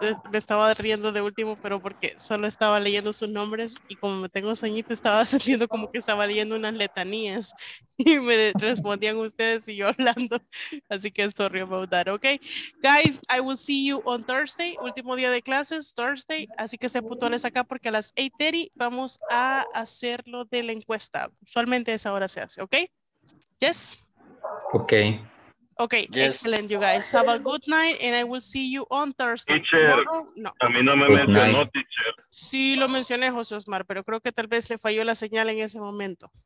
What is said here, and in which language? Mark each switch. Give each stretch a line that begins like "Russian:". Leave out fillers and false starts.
Spanish: Me estaba riendo de último, pero porque solo estaba leyendo sus nombres y como me tengo sueñito, estaba saliendo como que estaba leyendo unas letanías y me respondían ustedes y yo hablando, así que
English: sorry about that. Okay, guys, I will see you on Thursday,
Spanish: último día de clases,
English: Thursday,
Spanish: así que sean puntuales acá porque a las 8:30 vamos a hacerlo de la encuesta, usualmente a esa hora se hace,
English: okay? Yes? Okay. Okay, yes. Excellent, you guys. Have a good night, and I will see you on Thursday. Teacher, no.
Spanish: A mí no me mencionó, teacher. Sí, lo mencioné, José Osmar, pero creo que tal vez le falló la señal en ese momento.